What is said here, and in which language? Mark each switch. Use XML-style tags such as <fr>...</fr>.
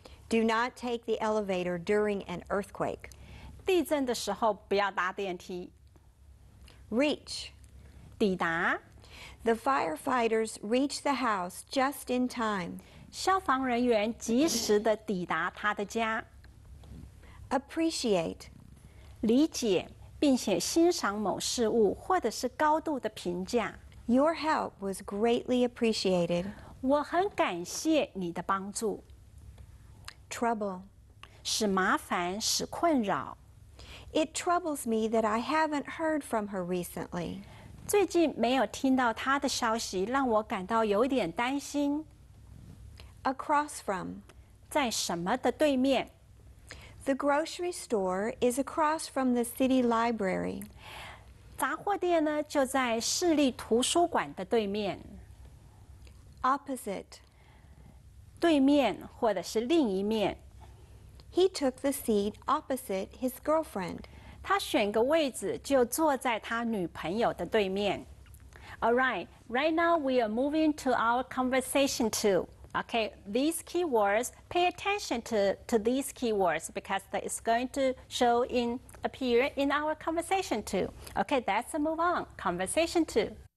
<en>Do not take the elevator during an earthquake。</en> <zh>地震的时候不要搭电梯。</zh> <en>Reach.</en> <zh>抵达.</zh> <en>The firefighters reach the house just in time.</en> <zh>消防人员及时地抵达他的家.</zh> <en>Appreciate.</en> <zh>理解并且欣赏某事物或者是高度的评价.</zh> <en>Your help was greatly appreciated.</en> <zh>我很感谢你的帮助.</zh> <en>Trouble.</en> <zh>使麻烦使困扰.</zh> <en>It troubles me that I haven't heard from her recently.</en> <zh>最近没有听到她的消息让我感到有点担心.</zh> <en>Across from.</en> <zh>在什么的对面。</zh> <en>The grocery store is across from the city library.</en> <zh>杂货店呢就在市立图书馆的对面。</zh> <en>Opposite.</en> <zh>对面或者是另一面。</zh> <en>He took the seat opposite his girlfriend.</en> <zh>他选个位置就坐在他女朋友的对面。</zh> <en>All right, right now we are moving to our conversation too. Okay, these keywords, pay attention to these keywords because that is going to show in, appear in our conversation too. Okay, let's move on. Conversation two.</en>